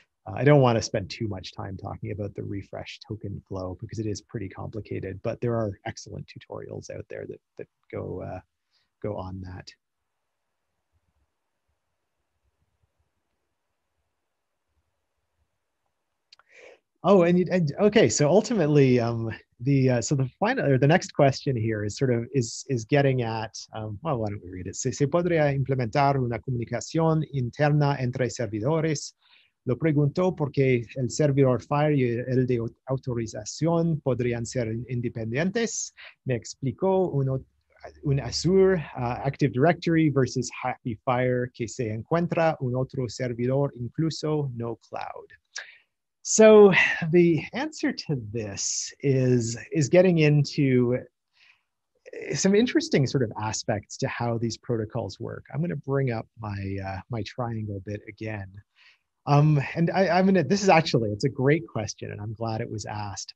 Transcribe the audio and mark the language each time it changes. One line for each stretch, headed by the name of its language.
English: I don't want to spend too much time talking about the refresh token flow because it is pretty complicated, but there are excellent tutorials out there that go on that. Oh, and okay, so ultimately, the next question here is sort of is getting at, why don't we read it?
Spanish: ¿Se podría implementar una comunicación interna entre servidores? Lo pregunto porque el servidor Fire y el de autorización podrían ser independientes. Me explicó un Azure Active Directory versus HAPI Fire que se encuentra un otro servidor, incluso no cloud.
English: So the answer to this is getting into some interesting sort of aspects to how these protocols work. I'm going to bring up my triangle bit again. It's a great question, and I'm glad it was asked.